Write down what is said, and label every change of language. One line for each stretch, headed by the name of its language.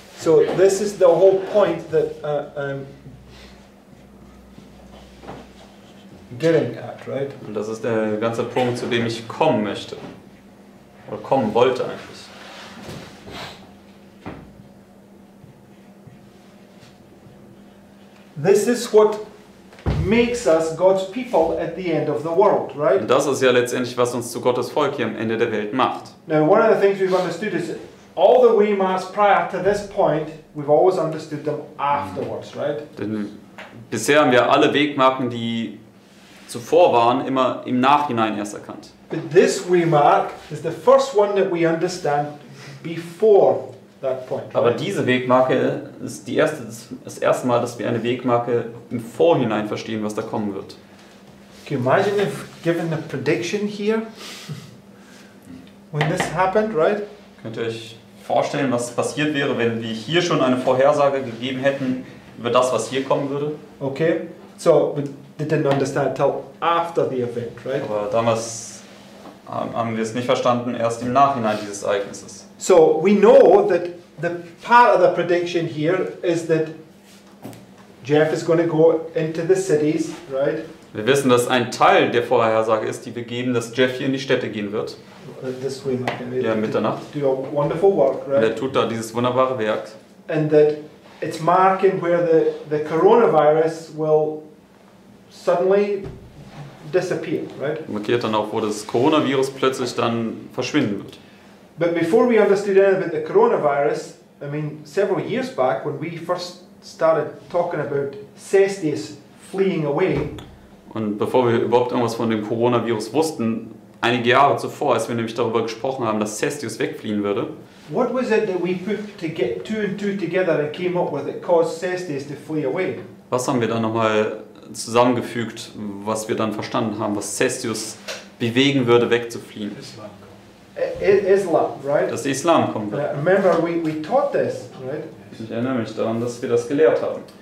English: So this is the whole point that getting at, right?
German: Und das ist der ganze Punkt, zu dem ich kommen möchte oder kommen wollte eigentlich.
English: This is what makes us God's people at the end of the world, right?
German: Und das ist ja letztendlich, was uns zu Gottes Volk hier am Ende der Welt macht.
English: Now, one of the things we've understood is all the waymarks prior to this point, we've always understood them afterwards, right?
German: Denn bisher haben wir alle Wegmarken, die zuvor waren, immer im Nachhinein erst erkannt.
English: But this waymark is the first one that we understand before that point, right?
German: Aber diese Wegmarke ist das erste Mal, dass wir eine Wegmarke im Vorhinein verstehen, was da kommen wird.
English: Can you imagine if given a prediction here when this happened, right?
German: Könnt ihr euch vorstellen, was passiert wäre, wenn wir hier schon eine Vorhersage gegeben hätten über das, was hier kommen würde?
English: Okay, so we didn't understand until after the event, right?
German: Aber damals haben wir es nicht verstanden, erst im Nachhinein dieses Ereignisses.
English: So we know that the part of the prediction here is that Jeff is going to go into the cities, right?
German: Wir wissen, dass ein Teil der Vorhersage ist, die wir geben, dass Jeff hier in die Städte gehen wird.
English: This way,
German: ja, Mitternacht.
English: Do a wonderful work, right?
German: Und er tut da dieses wunderbare Werk.
English: And that it's marking where the coronavirus will suddenly disappear, right?
German: Markiert dann auch, wo das Coronavirus plötzlich dann verschwinden wird.
English: But before we understood anything about the coronavirus, I mean, several years back, when we first started talking about Cestius fleeing away.
German: Und bevor wir überhaupt irgendwas von dem Coronavirus wussten, einige Jahre zuvor, als wir nämlich darüber gesprochen haben, dass Cestius wegfliehen würde.
English: What was it that we put to get two and two together and came up with that caused Cestius to flee away?
German: Was haben wir dann nochmal zusammengefügt, was wir dann verstanden haben, was Cestius bewegen würde, wegzufliehen?
English: Islam, right?
German: Dass Islam kommt.
English: Remember, we taught this, right?
German: Ich erinnere mich daran, dass wir das gelehrt haben.